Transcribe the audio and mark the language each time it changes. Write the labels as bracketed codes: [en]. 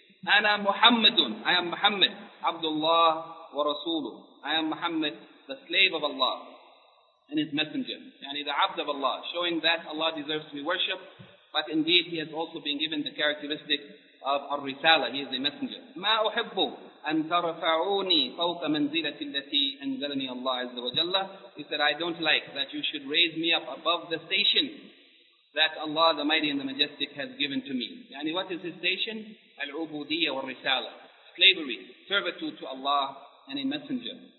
[ar] أَنَا مُحَمَّدٌ, [en] I am Muhammad, [ar] عَبْدُ اللَّهِ وَرَسُولُهُ, [en] I am Muhammad, the slave of Allah and his messenger. Yani, the abd of Allah, showing that Allah deserves to be worshipped. But indeed, he has also been given the characteristic of al-risala. He is a messenger. [ar] ما أحب أن ترفعوني فوق منزلة التي أنزلني الله عز وجل. [en] He said, I don't like that you should raise me up above the station that Allah the Mighty and the Majestic has given to me. يعني, what is his station? [ar] العبودية والرسالة. [en] Slavery, servitude to Allah and a messenger.